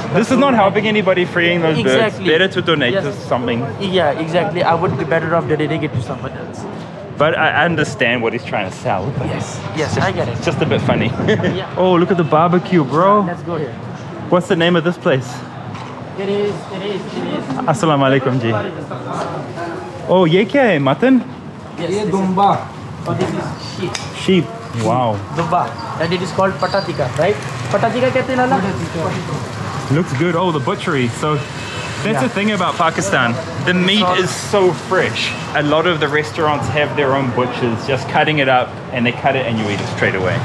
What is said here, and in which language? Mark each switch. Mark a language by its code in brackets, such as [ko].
[en] This is not helping anybody freeing those birds. Exactly. Better to donate to something. Yeah, exactly. I would be better off donating it to someone else. But I understand what he's trying to sell. Yes, I get it. Just a bit funny. Yeah. Oh, look at the barbecue, bro. Let's go here. What's the name of this place? It is. [ur] السلام علیکم، جی. اوہ، یہ کیا ہے، mutton? [en] Yes, [ur] ye dumba. [en] Oh, this is sheep. Sheep. Wow. [ur] Dumba. [en] And it is called patatika, right? [ur] Patatika kehte hai lala? [en] Looks good. Oh, the butchery. So that's the thing about Pakistan. The meat is so fresh. A lot of the restaurants have their own butchers just cutting it up, and they cut it and you eat it straight away.